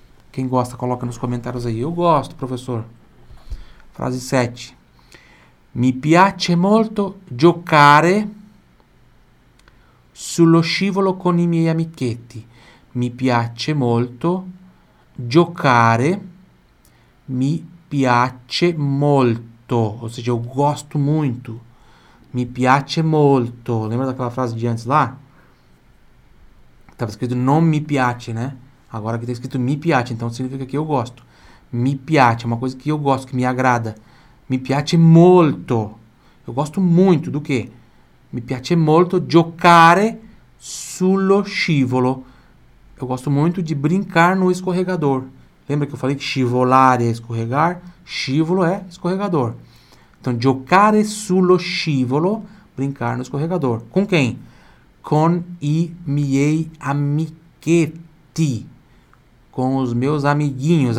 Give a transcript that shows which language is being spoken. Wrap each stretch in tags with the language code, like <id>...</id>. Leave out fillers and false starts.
<pt>Quem gosta, coloca nos comentários aí. Eu gosto, professor. Frase 7.</pt> <it>Mi piace molto giocare sullo scivolo con i miei amichetti. Mi piace molto giocare. Mi piace molto.</it> <pt>Ou seja, eu gosto muito.</pt> <it>Mi piace molto.</it> <pt>Lembra daquela frase de antes lá? Tava escrito</pt> <it>non mi piace,</it> <pt>né? Agora que está escrito</pt> <it>mi piace,</it> <pt>então significa que eu gosto. Mi piace é uma coisa que eu gosto, que me agrada.</pt> <it>Mi piace molto.</it> <pt>Eu gosto muito do quê?</pt> <it>Mi piace molto giocare sullo scivolo.</it> <pt>Eu gosto muito de brincar no escorregador. Lembra que eu falei que scivolare é escorregar? Scivolo é escorregador. Então,</pt> <it>giocare sullo scivolo,</it> <pt>brincar no escorregador. Com quem?</pt> <it>Con i miei amichetti.</it> <pt>Com os meus amiguinhos.</pt>